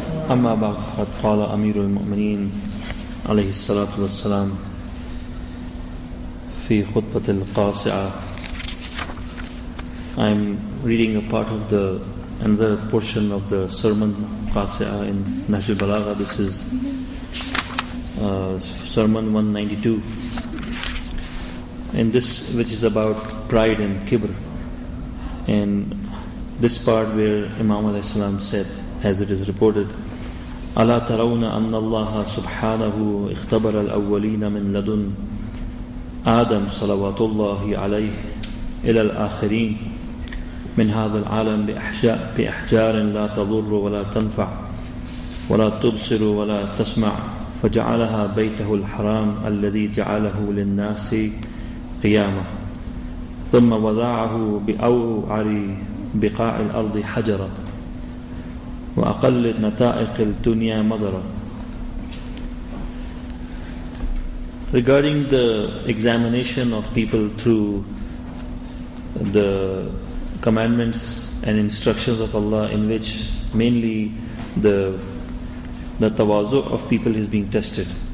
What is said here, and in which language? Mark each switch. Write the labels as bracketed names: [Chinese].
[Arabic] أما بعد فقد قال أمير المؤمنين عليه الصلاة والسلام في خطبة القاصعة [English] I'm reading a part of the another portion of the sermon Qasi'ah in Nahj al-Balagha. This is sermon 192, and this which is about pride and kibr. And this part where Imam alayhi salam said, as it is reported, [Arabic] "Ala tarawna anna Allah subhanahu ikhtabara al-awwalina min ladun Adam salawatullahi alayhi ila al-akhirin من هذا العالم بأحجار لا تضر ولا تنفع ولا تبصر ولا تسمع فجعلها بيته الحرام الذي جعله للناس قيامة ثم وضعه بأوعر بقاع الأرض حجرا وأقل نتائق الدنيا مضرا." [English] Regarding the examination of people through the commandments and instructions of Allah, in which mainly the tawazu of people is being tested.